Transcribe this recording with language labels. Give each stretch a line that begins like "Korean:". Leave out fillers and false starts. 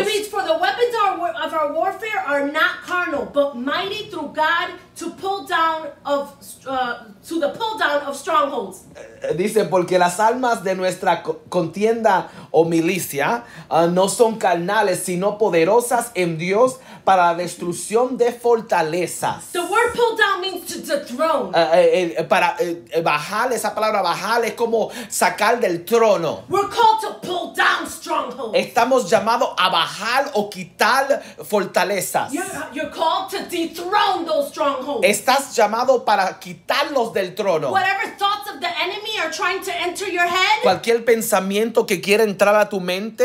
English: It reads, for the weapons of our warfare are not carnal, but mighty through God to the pull down of strongholds.
Spanish: Dice, porque las armas de nuestra contienda o milicia no son carnales, sino poderosas en Dios para la destrucción de fortalezas.
English: The word pull down means to dethrone.
Spanish: Bajar, esa palabra bajar es como sacar del trono.
English: We're called to pull down strongholds.
Spanish: Estamos llamados a bajar o quitar fortalezas.
English: You're called to dethrone those strongholds.
Spanish: Estás llamado para quitarlos del trono.
English: Whatever thoughts of the enemy are trying to enter your head.
Spanish: Cualquier pensamiento que quiera entrar a tu mente.